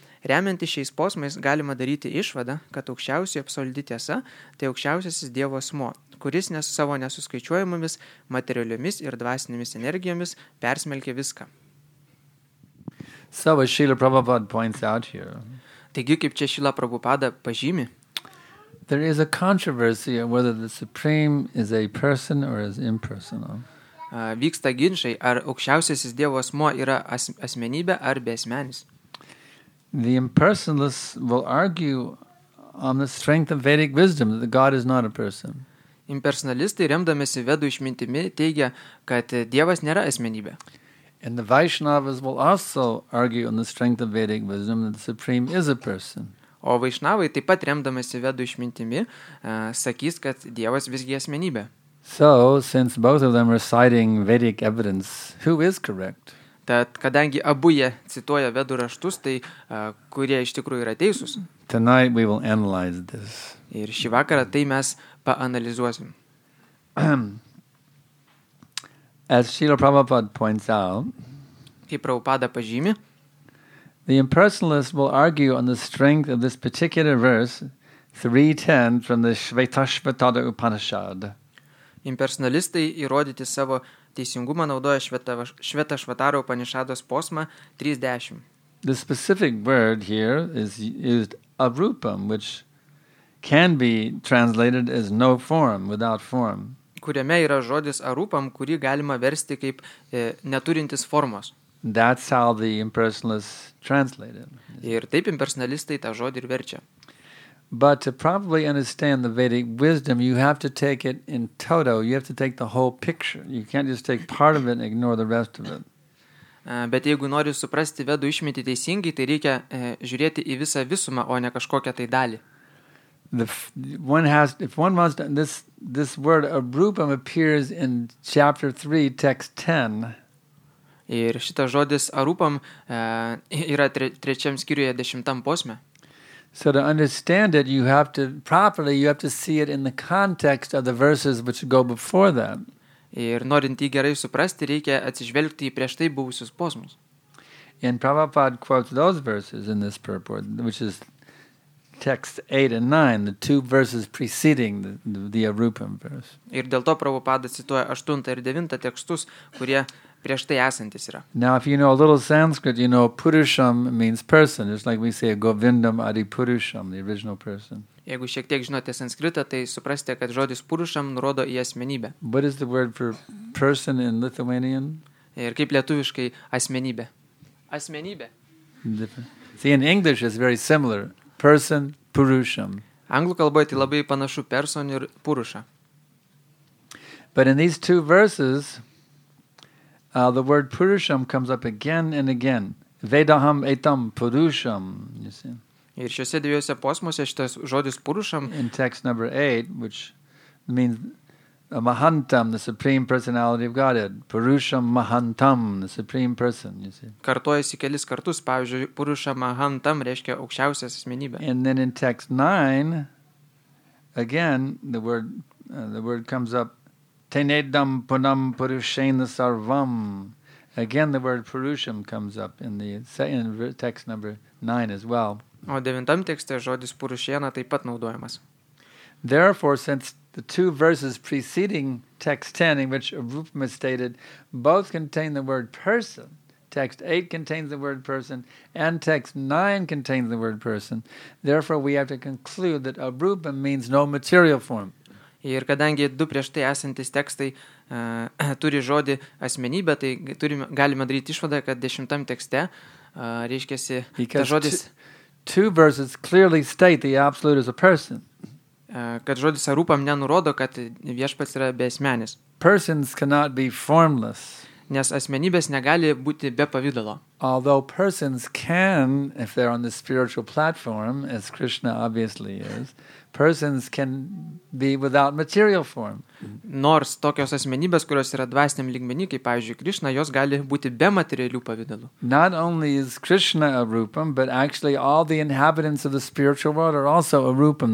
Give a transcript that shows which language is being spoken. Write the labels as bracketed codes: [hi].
[lt] Remiantis šiais posmais galima daryti išvadą, kad aukščiausiai absoliuti tiesa – tai aukščiausiasis Dievo asmo, kuris savo nesuskaičiuojamomis materialiomis ir dvasinėmis energijomis persmelkė viską. [en] So, as Srila Prabhupada points out here, [lt] taigi, kaip čia Srila Prabhupada pažymi, [en] there is a controversy of whether the Supreme is a person or is impersonal. [lt] Vyksta ginčiai, ar aukščiausiasis Dievo asmo yra asmenybė ar besmenis. [en] The impersonalists will argue on the strength of Vedic wisdom that God is not a person. [lt] Impersonalistai, remdamiesi vedų išmintimi, teigia, kad Dievas nėra asmenybė. [en] And the Vaishnavas will also argue on the strength of Vedic wisdom that the Supreme is a person. [lt] O Vaishnavai taip pat, remdamiesi vedų išmintimi, sakys, kad Dievas visgi asmenybė. [en] So, since both of them are citing Vedic evidence, who is correct? [lt] Tad kadangi abu jie cituoja vedų raštus, tai kurie iš tikrųjų yra teisūs. [en] Tonight we will analyze this. [lt] Ir šį vakarą tai mes paanalizuosim. [en] As Srila Prabhupada points out, [lt] kaip Prabhupada pažymi, [en] the impersonalists will argue on the strength of this particular verse 3.10 from the Shvetashvatara Upanishad. [lt] Impersonalistai įrodyti savo teisingumą naudoja Švetašvatara Upanišados posmą 3.10. [en] The specific word here is used arūpam, which can be translated as no form, without form. [lt] kuriame yra žodis arūpam, kurį galima versti kaip neturintis formos. [en] That's how the impersonalist translated. [lt] Ir taip impersonalistai tą žodį ir verčia. [en] But to properly understand the Vedic wisdom, you have to take it in toto. You have to take the whole picture. You can't just take part of it and ignore the rest of it. [lt] Bet jeigu nori suprasti vedų išmintį teisingai, tai reikia žiūrėti į visą visumą, o ne kažkokią tai dalį. [en] This word arūpam appears in chapter 3, text 10. [lt] Ir šitas žodis arūpam yra trečiam skyriuje dešimtam posme. [en] So to understand it, you have to see it in the context of the verses which go before that. [lt] Ir norint jį gerai suprasti, reikia atsižvelgti į prieš tai buvusius posmus. [en] And Prabhupada quotes those verses in this purport, which is text 8 and 9, the two verses preceding the arūpam verse. [lt] Ir dėl to Prabhupada cituoja 8 ir 9 tekstus, kurie prieš tai esantis yra. [en] Now if you know a little Sanskrit, you know purusham means person. It's like we say [sa] govindam adi purusham, [en] the original person. [lt] Jeigu šiek tiek žinote sanskritą, tai suprasite, kad žodis purusham nurodo į asmenybę. [en] What is the word for person in Lithuanian? [lt] Ir kaip lietuviškai asmenybė. Asmenybė. [en] See, in English it's very similar. Person, purusham. [lt] Anglų kalboje tai labai panašu person ir purusha. [en] But in these two verses, the word purusham comes up again and again. [sa] Vedaham etam purusham, [en] you see. [lt] Ir šiuose dviejose posmuose šitas žodis purusham. [en] In text number 8, which means mahantam, the supreme personality of Godhead. [sa] Purusham mahantam, [en] the supreme person, you see. [lt] Kartojasi kelis kartus, pavyzdžiui, purusham mahantam reiškia aukščiausias asmenybė. [en] And then in text 9, again, the word comes up. [sa] Tenedam punam purushena sarvam. [en] Again, the word purusham comes up in the second text number 9 as well. [lt] O devintam tekste žodis purušena taip pat naudojamas. [en] Therefore, since the two verses preceding text 10, in which arūpam is stated, both contain the word person, text 8 contains the word person, and text 9 contains the word person, therefore we have to conclude that arūpam means no material form. [lt] Ir kadangi du prieš tai esantys tekstai turi žodį asmenybę, tai galime daryti išvadą, kad dešimtam tekste reiškiasi tas žodis. [en] Two verses clearly state the absolute is a person. [lt] Kad žodis arūpam nenurodo, kad viešpats yra beasmenis. [en] Persons cannot be formless. [lt] Nes asmenybės negali būti be pavidalo. [en] Although persons can, if they're on the spiritual platform, as Krishna obviously is, persons can be without material form. [lt] Nors tokios asmenybės, kurios yra dvasiniam lygmeny, kaip pavyzdžiui Krishna, jos gali būti be materialių pavidalų. [en] Not only is Krishna arūpam, but actually all the inhabitants of the spiritual world are also arūpam.